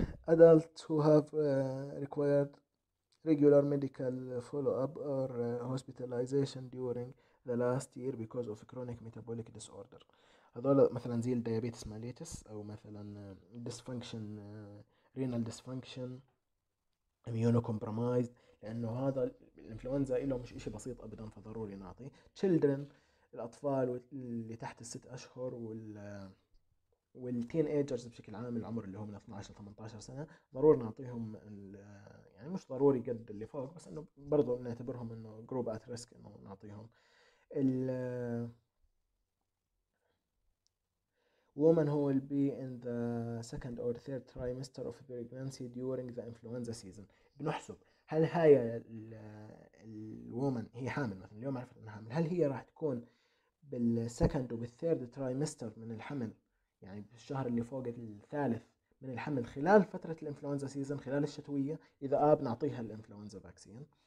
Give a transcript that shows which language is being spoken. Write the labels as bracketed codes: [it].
[en] adult who have required regular medical follow up or hospitalization during the last year because of chronic metabolic disorder. [ar] هذول مثلا زي الديابيتس ماليتس، او مثلا [en] dysfunction renal dysfunction، [ar] immunocompromised، لانه هذا الانفلونزا له مش اشي بسيط ابدا، فضروري نعطي. children، الاطفال اللي تحت الست اشهر، والتين ايجرز بشكل عام، العمر اللي هو من 12 ل 18 سنة، ضروري نعطيهم، يعني مش ضروري قد اللي فوق بس انه برضو نعتبرهم انه جروب ات ريسك انه نعطيهم. [en] woman who will be in the second or third trimester of pregnancy during the influenza season. [ar] بنحسب هل هاي الwoman هي حامل مثلا، اليوم عرفت انها حامل، هل هي راح تكون بالسكند وبالثيرد trimester من الحمل، يعني بالشهر اللي فوق الثالث من الحمل خلال فترة الانفلونزا سيزن، خلال الشتوية؟ إذا بنعطيها الانفلونزا فاكسين.